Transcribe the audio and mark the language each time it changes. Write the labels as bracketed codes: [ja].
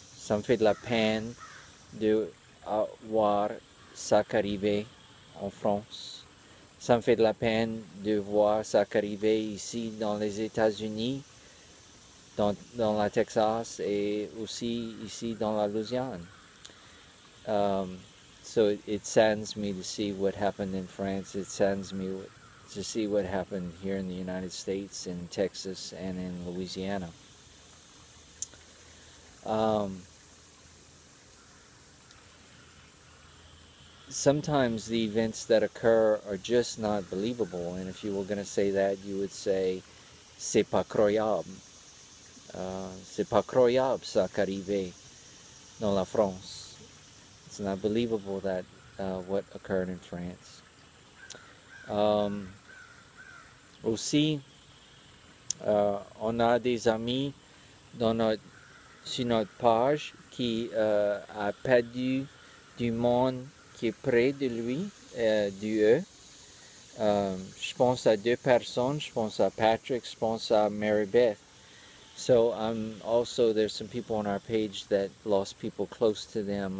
[fr] Ça me fait de la peine de voir ça qu'arrivait en France. Ça me fait de la peine de voir ça qu'arrivait ici dans les États-Unis, dans la Texas et aussi ici dans la Louisiane. [en] So it saddens me to see what happened in France. It saddens me to see what happened here in the United States, in Texas, and in Louisiana. Sometimes the events that occur are just not believable. And if you were going to say that, you would say, [fr] "C'est pas croyable. C'est pas croyable ça qu'arrivait dans la France." [en] It's not believable that what occurred in France. [fr] Aussi, on a des amis dans notre, sur notre page qui a perdu du monde qui est près de lui, Dieu. Je pense à deux personnes, je pense à Patrick, je pense à Mary Beth. [en] So I'm also, there's some people on our page that lost people close to them.